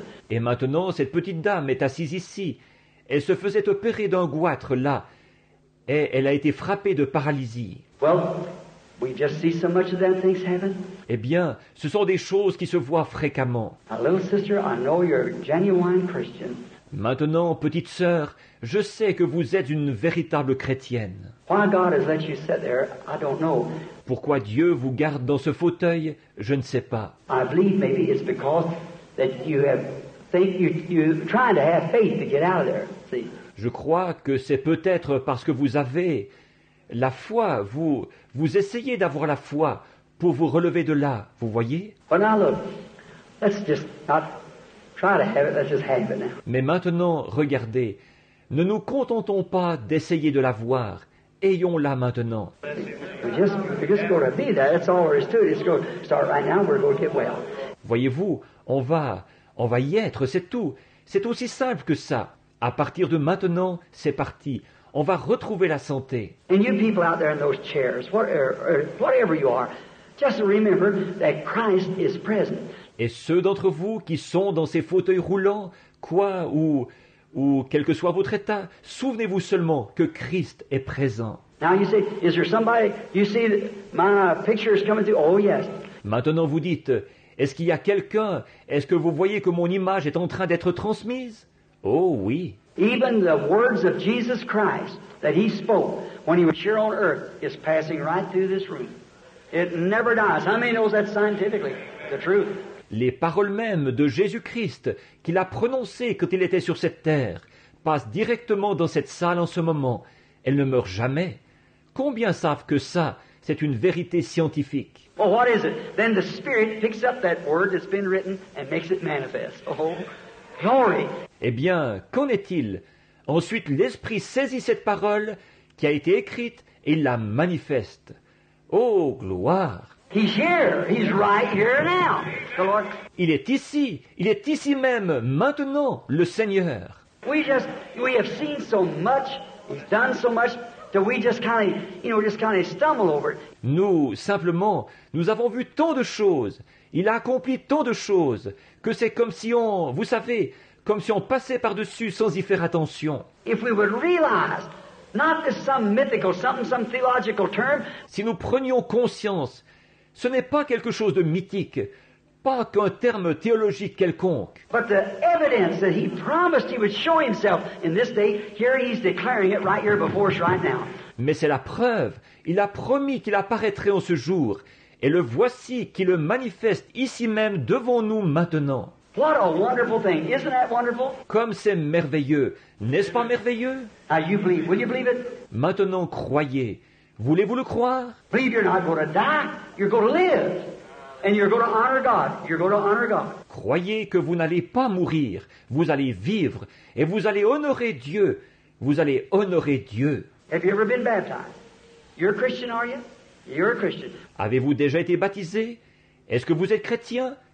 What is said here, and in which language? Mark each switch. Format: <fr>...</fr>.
<fr>Et maintenant, cette petite dame est assise ici. Elle se faisait opérer d'un goitre là. Et elle a été frappée de paralysie.</fr> <en>Well, we just see so much of them things happen.</en> <fr>Eh bien, ce sont des choses qui se voient fréquemment.</fr> <en>Now, little sister, I know you're a genuine Christian.</en> <fr>Maintenant, petite sœur, je sais que vous êtes une véritable chrétienne.</fr> <en>Why God has let you sit there, I don't know.</en> <fr>Pourquoi Dieu vous garde dans ce fauteuil, je ne sais pas.</fr> <en>I believe maybe it's because that you have think you're trying to have faith to get out of there. See.</en> <fr>Je crois que c'est peut-être parce que vous avez la foi, vous essayez d'avoir la foi pour vous relever de là, vous voyez?</fr> <en>But now look, let's just not try to have it, let's just have it now.</en> <fr>Mais maintenant, regardez, ne nous contentons pas d'essayer de l'avoir, ayons-la maintenant.</fr> <en>We're just going to be there, that's all there is to it. It's going to start right now, we're going to get well.</en> <fr>Voyez-vous, on va y être, c'est tout. C'est aussi simple que ça. À partir de maintenant, c'est parti. On va retrouver la santé.</fr> <en>And you people out there in those chairs, whatever you are, just remember that Christ is present.</en> <fr>Et ceux d'entre vous qui sont dans ces fauteuils roulants, quoi ou quel que soit votre état, souvenez-vous seulement que Christ est présent.</fr> <en>Now you say, is there somebody? You see my picture is coming through? Oh yes.</en> <fr>Maintenant vous dites, est-ce qu'il y a quelqu'un? Est-ce que vous voyez que mon image est en train d'être transmise? Oh oui.</fr> <en>Even the words of Jesus Christ that he spoke when he was here on earth is passing right through this room. It never dies. How many knows that scientifically? The truth.</en> <fr>Les paroles mêmes de Jésus-Christ qu'il a prononcées quand il était sur cette terre passent directement dans cette salle en ce moment. Elles ne meurent jamais. Combien savent que ça, c'est une vérité scientifique?</fr> <en>Well, what is it? Then the Spirit picks up that word that's been written and makes it manifest. Oh, glory!</en> <fr>Eh bien, qu'en est-il? Ensuite, l'Esprit saisit cette parole qui a été écrite et la manifeste. Oh, gloire!</fr> <en>He's here. He's right here now. The Lord.</en> <fr>Il est ici. Il est ici même, maintenant, le Seigneur.</fr> <en>We have seen so much. He's done so much that we just kind of, you know, just kind of stumble over it.</en> <fr>Nous, simplement, nous avons vu tant de choses. Il a accompli tant de choses que c'est comme si on, vous savez, comme si on passait par-dessus sans y faire attention.</fr> <en>If we would realize, not as some mythical, some theological term.</en> <fr>Si nous prenions conscience, ce n'est pas quelque chose de mythique, pas qu'un terme théologique quelconque.</fr> <en>But the evidence that he promised he would show himself in this day, here he's declaring it right here before us right now.</en> <fr>Mais c'est la preuve. Il a promis qu'il apparaîtrait en ce jour. Et le voici qui le manifeste ici même devant nous maintenant.</fr> <en>What a wonderful thing. Isn't that wonderful?</en> <fr>Comme c'est merveilleux. N'est-ce pas merveilleux?</fr> <en>Now you believe. Will you believe it?</en> <fr>Maintenant, croyez. Voulez-vous le croire?</fr> <en>Believe you're not going to die. You're going to live. And you're going to honor God. You're going to honor God.</en> <fr>Croyez que vous n'allez pas mourir. Vous allez vivre. Et vous allez honorer Dieu. Vous allez honorer Dieu.</fr> <en>Have you ever been baptized? You're a Christian, are you? You're a Christian.</en> <fr>Avez-vous déjà été baptisé? Est-ce que vous êtes chrétien?</fr>